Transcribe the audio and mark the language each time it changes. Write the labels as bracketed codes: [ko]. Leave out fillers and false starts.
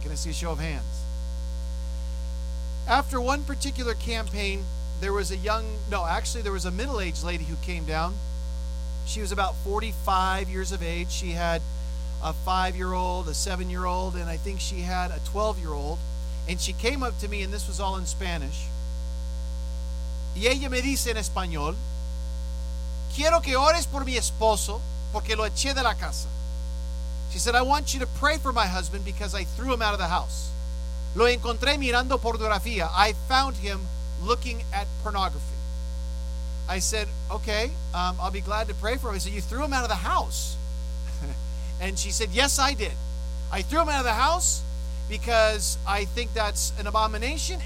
[en] Can I see a show of hands? After one particular campaign, there was a middle-aged lady who came down. She was about 45 years of age. She had a 5-year-old, a 7-year-old, and I think she had a 12-year-old. And she came up to me, and this was all in Spanish. [es] Y ella me dice en español, quiero que ores por mi esposo porque lo eché de la casa. [en] She said, I want you to pray for my husband because I threw him out of the house. [es] Lo encontré mirando pornografía. [en] I found him looking at pornography. I said, okay, I'll be glad to pray for him. I said, you threw him out of the house? And she said, yes, I did. I threw him out of the house because I think that's an abomination.